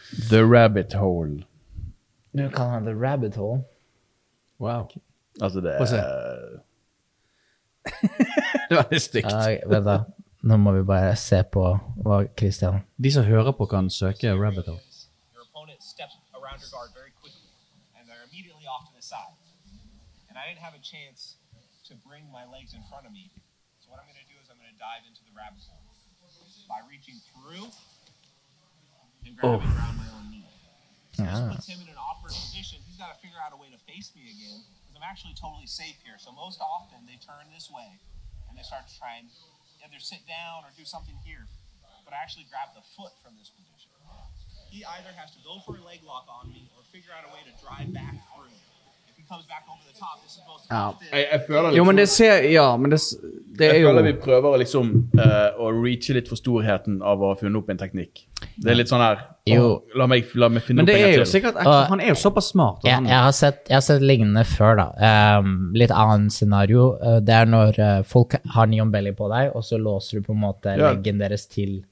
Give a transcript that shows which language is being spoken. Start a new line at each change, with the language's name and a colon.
English: The rabbit hole.
Norwegian: Nå kaller han The rabbit hole. Wow. Altså det er... det var litt stygt. Vent da, nå må vi bare se på hva Christian... De som hører på kan søke rabbit hole.
English: Your opponent stepped around your guard very quickly and they're immediately off to the side. And I didn't have a chance to bring my legs in front of me. So what I'm going to do is I'm going to dive into the rabbit hole. By reaching through and grabbing around my own knee. So this puts him in an awkward position. He's got to figure out a way to face me again because I'm actually totally safe here. So most often they turn this way and they start to try and either sit down or do something here. But I actually grab the foot from this position. He either has to go for a leg lock on me or figure out a way to drive back through. If he comes back over the top, this is most often. I feel like
Norwegian: jo, men det ser, ja, men det, det jeg føler vi prøver å liksom å reache litt for storheten av å finne opp en teknikk. Det litt sånn her, la meg finne opp en teknikk. Men det er jo sikkert, han er jo såpass smart. Ja, jeg har sett lignende før da. Litt annen scenario, det er når folk har neon belly på deg, og så låser du på en måte leggen deres til.